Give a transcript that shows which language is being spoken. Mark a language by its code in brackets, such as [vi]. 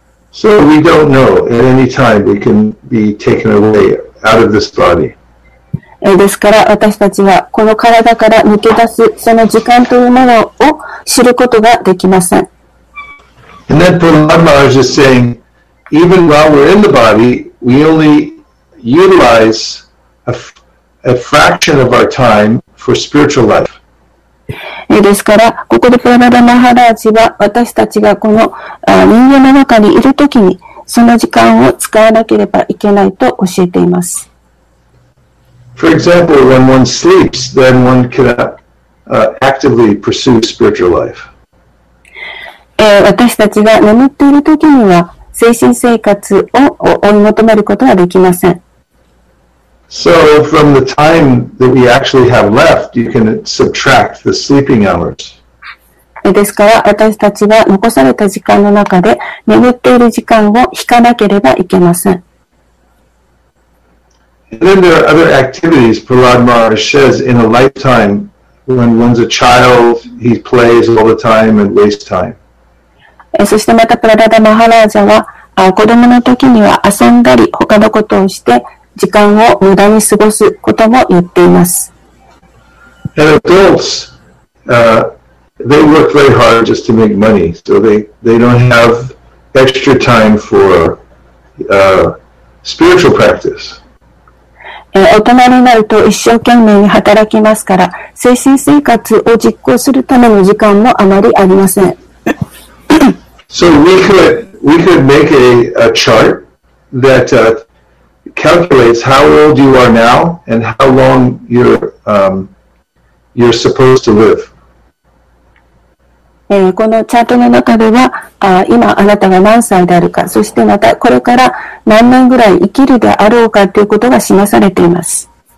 [en] So we don't know at any time we can be taken away out of this body. [ja] ですから、私たちはこの体から抜け出すその時間というものを知ることができません。 [en] And then Prahlad Maharaj is saying,Even while we're in the body, we only utilize a fraction of our time for spiritual life. [ja] ですから、ここでプラナダ・マハラージは、私たちがこの人間の中にいるときに、その時間を使わなければいけないと教えています。 [en] For example, when one sleeps, then one cannot actively pursue spiritual life. [ja] 私たちが眠っているときには精神生活を追い求めることはできません。 [en] So from the time that we actually have left, you can subtract the sleeping hours. [ja] ですから私たちは残された時間の中で眠っている時間を引かなければいけません。 [en] And then there are other activities. Prahlad Maharaj says, in a lifetime, when one's a child, he plays all the time and wastes time. [ja] そしてまたプラダダマハラージャは子供の時には遊んだり他のことをして時間を無駄に過ごすことも言っています。 [en] And adults, they work very hard just to make money, so they don't have extra time for spiritual practice. [ja] 大人になると一生懸命に働きますから精神生活を実行するための時間もあまりありません。 [en] So we could make a chart that calculates how old you are now and how long you're supposed to live. [ja] このチャートの中では、今あなたが何歳であるか、そしてまたこれから何年ぐらい生きるであろうかということが示されています。